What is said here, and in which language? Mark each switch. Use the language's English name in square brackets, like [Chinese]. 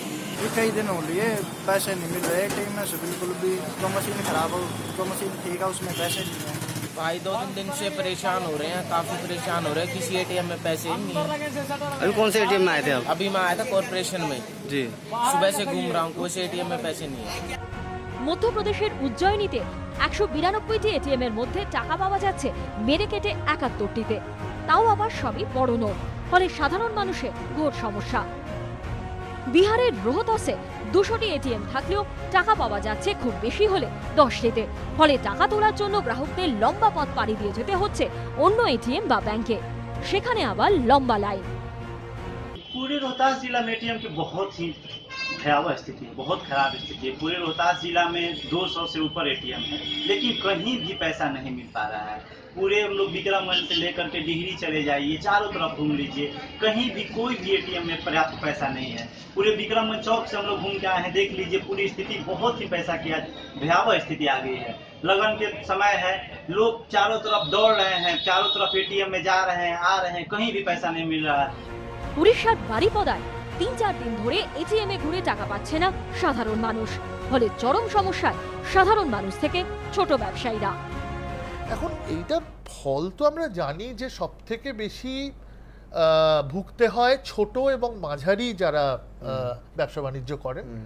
[Hindi] है, कई दिन हो लिए पैसे नहीं मिल रहे टीम में से, बिल्कुल भी। तो मशीन खराब हो, तो मशीन ठीक है, उसमें पैसे नहीं है। भाई दो तीन दिन से परेशान हो रहे हैं, काफी परेशान हो रहे हैं, किसी एटीएम में पैसे ही नहीं है। अभी कौन से एटीएम में आए थे आप? अभी मैं आया था कॉर्पोरेशन में जी, सुबह से घूम रहा हूँ, कोई से एटीएम में पैसे नहीं है। [Bangla] মধ্য প্রদেশের উজ্জয়িনীতে 192টি এটিএম এর মধ্যে টাকা পাওয়া যাচ্ছে মেরে কেটে 71টিতে, তাও আবার সবই বড় নোট, ফলে সাধারণ মানুষের ঘোর সমস্যা। বিহারের রোহতাসে 200টি এটিএম থাকলেও টাকা পাওয়া যাচ্ছে খুব বেশি হলে 10টিতে, ফলে টাকা তোলার জন্য গ্রাহকদের লম্বা পথ পাড়ি দিয়ে যেতে হচ্ছে অন্য এটিএম বা ব্যাংকে, সেখানে আবার লম্বা লাইন। [Hindi] पूरे रोहतास जिला में एटीएम की बहुत ही भयावह स्थिति है, बहुत खराब स्थिति है। पूरे रोहतास जिला में 200 से ऊपर एटीएम है लेकिन कहीं भी पैसा नहीं मिल पा रहा है। पूरे हम लोग विक्रमगंज से लेकर के डिहरी चले जाइए, चारों तरफ घूम लीजिए, कहीं भी कोई भी एटीएम में पर्याप्त पैसा नहीं है। पूरे विक्रमगंज चौक से हम लोग घूम के आए हैं, देख लीजिए पूरी स्थिति बहुत ही पैसा की भयावह स्थिति आ गई है। लगन के समय है, लोग चारों तरफ दौड़ रहे हैं, चारों तरफ एटीएम में जा रहे हैं आ रहे हैं, कहीं भी पैसा नहीं मिल रहा है। [Bangla] উড়িষ্যার বারিপদায় 3-4 দিন ধরে এটিএম এ ঘুরে টাকা পাচ্ছে না সাধারণ মানুষ, ফলে চরম সমস্যায় সাধারণ মানুষ থেকে ছোট ব্যবসায়ীরা। এখন এইটা ফল তো আমরা জানি যে সব থেকে বেশি ভুগতে হয় ছোট এবং মাঝারি যারা ব্যবসা বাণিজ্য করেন,